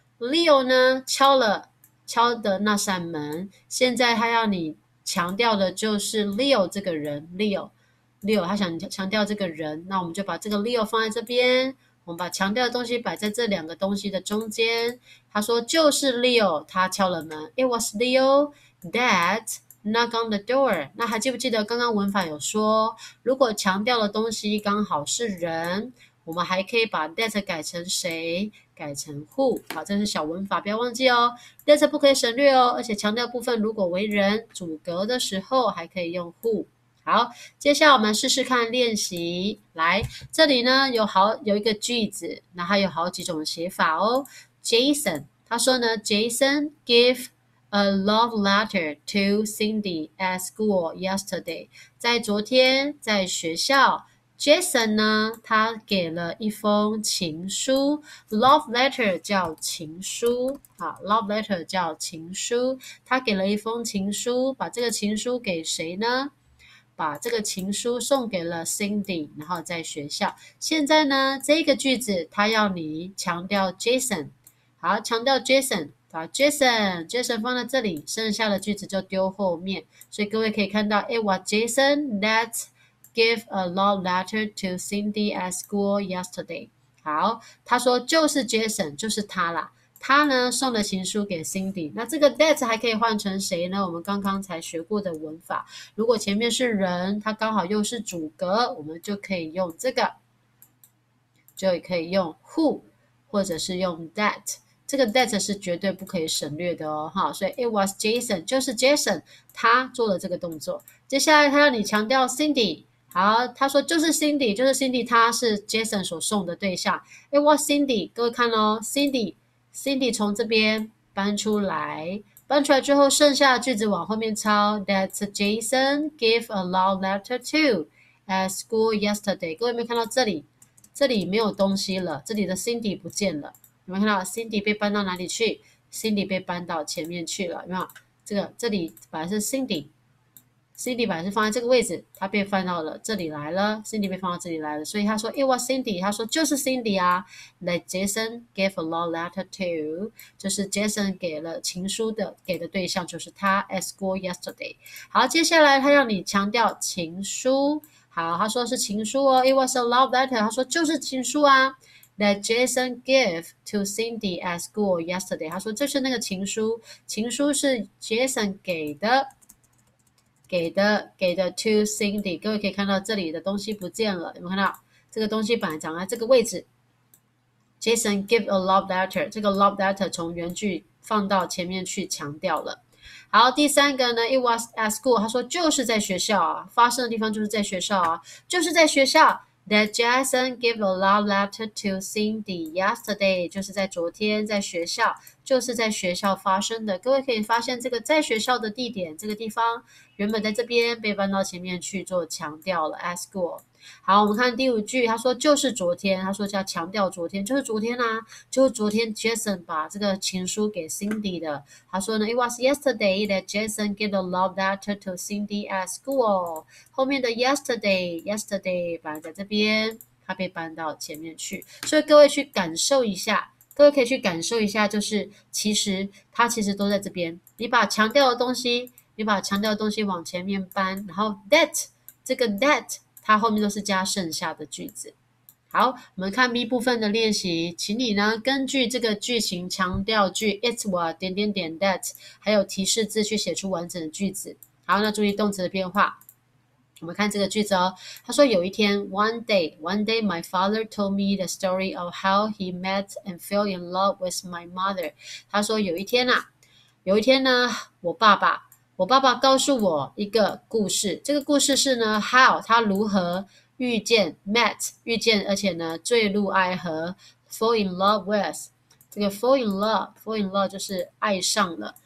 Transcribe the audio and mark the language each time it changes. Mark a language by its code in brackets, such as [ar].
[zh] Leo 呢敲的那扇门，现在他要你强调的就是 Leo 这个人，Leo 他想强调这个人，那我们就把这个 Leo 放在这边。我们把强调的东西摆在这两个东西的中间。他说：“就是 Leo，他敲了门。 [en] It was Leo that knocked on the door。” [zh] 那还记不记得刚刚文法有说，如果强调的东西刚好是人，我们还可以把 that 改成谁？改成 who。好，这是小文法，不要忘记哦。that 不可以省略哦。而且强调部分如果为人主格的时候，还可以用 who。好，接下来我们试试看练习。来，这里呢有一个句子，那它有好几种写法哦。 [en] Jason， [zh] 他说呢， [en] Jason gave a love letter to Cindy at school yesterday。 [zh] 在昨天，在学校，Jason 呢，他给了一封情书。 Love letter 叫情书，好，love letter 叫情书。他给了一封情书，把这个情书给谁呢？把这个情书送给了 Cindy，然后在学校。现在呢，这个句子它要你强调 Jason，好，强调 Jason。把 Jason 放在这里，剩下的句子就丢后面，所以各位可以看到， [en] it was Jason that gave a long letter to Cindy at school yesterday。 [zh] 好，他说就是 Jason，就是他啦，他呢送了情书给 Cindy。那这个 that 还可以换成谁呢？我们刚刚才学过的文法，如果前面是人，他刚好又是主格，我们就可以用这个，就可以用 who，或者是用 that。这个 that 是绝对不可以省略的哦，哈，所以 it was Jason，就是 Jason，他做了这个动作。接下来他要你强调 Cindy，好，他说就是 Cindy，就是 Cindy，他是 Jason 所送的对象。 [en] it was Cindy， [zh] 各位看哦，Cindy 从这边搬出来，搬出来之后，剩下的句子往后面抄， [en] that Jason gave a long letter to at school yesterday。 [zh] 各位有没有看到这里？这里没有东西了，这里的 Cindy 不见了。有没有看到 Cindy 被搬到哪里去？Cindy 被搬到前面去了，有没有？这里本来是 Cindy 本来是放在这个位置，它被搬到了这里来了，Cindy 被放到这里来了。所以他说 [en] "It was Cindy"， [zh] 他说就是 Cindy 啊。 [en] That Jason gave a long letter to， [zh] 就是 Jason 给了情书的给的对象就是他 [en] at school yesterday。 [zh] 好，接下来他要你强调情书，好，他说是情书哦， [en] "It was a love letter"， [zh] 他说就是情书啊。 [en] That Jason gave to Cindy at school yesterday。 [zh] 他说这是那个情书，情书是 Jason 给的 [en] to Cindy。 [zh] 各位可以看到这里的东西不见了，有没有看到？这个东西本来长在这个位置。 [en] Jason gave a love letter， [zh] 这个 love letter 从原句放到前面去强调了。 [en] 好，第三个呢，It was at school。 [zh] 他说就是在学校啊，发生的地方就是在学校啊，就是在学校。 [en] That Jason gave a love letter to Cindy yesterday， [zh] 就是在昨天，在学校，就是在学校发生的。各位可以发现，这个在学校的地点，这个地方原本在这边，被搬到前面去做强调了。 [en] At school。 [zh] 好，我们看第五句，他说就是昨天，他说叫强调昨天，就是昨天啊，就是昨天 Jason 把这个情书给 Cindy 的。他说呢， [en] It was yesterday that Jason gave a love letter to Cindy at school。 [zh] 后面的 yesterday 摆在这边，他被搬到前面去，所以各位去感受一下。各位可以去感受一下，就是其实它其实都在这边。你把强调的东西，你把强调的东西往前面搬，然后 that 这个 that 它后面都是加剩下的句子。好，我们看 B 部分的练习，请你呢根据这个句型强调句 it was 点点点 that，还有提示字去写出完整的句子。好，那注意动词的变化。 [en] 我们看这个句子哦， [zh] 他说有一天， [en] one day my father told me the story of how he met and fell in love with my mother。 [zh] 他说有一天呐、啊，有一天呢，我爸爸告诉我一个故事。这个故事是呢，how 他如何遇见 met 遇见，而且呢坠入爱河 fall in love with 这个 fall in love 就是爱上了。